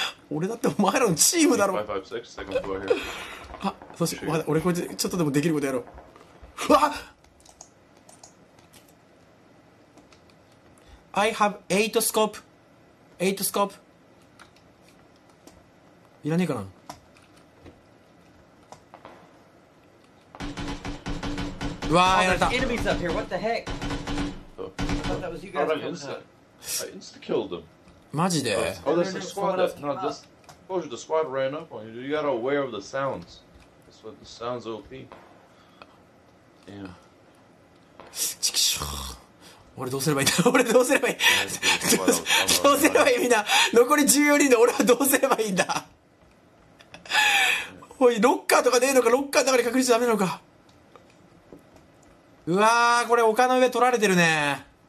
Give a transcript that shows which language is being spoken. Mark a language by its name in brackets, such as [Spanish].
[Japanese] 俺だってお前らのチームだろ。あ、そして俺これちょっとでもできることやろう。うわっ！ [English] I have 8 scope。 8 scope。 [Japanese] いらねえかな。うわー、やられた。 [English] There's enemies up here. What the heck? I thought that was you guys. I insta killed them. [Japanese] マジで。 [English] Oh, there's a squad up. No, thisTold you the squad ran up on you. You got aware of the sounds. That's what the sounds OP. Damn. [Japanese] チキショー。俺どうすればいいんだ。俺どうすればいい。どうすればいいみんな。残り14人で俺はどうすればいいんだ。おいロッカーとかねえのか。ロッカーの中に隠れちゃダメなのか。うわあこれ丘の上取られてるね。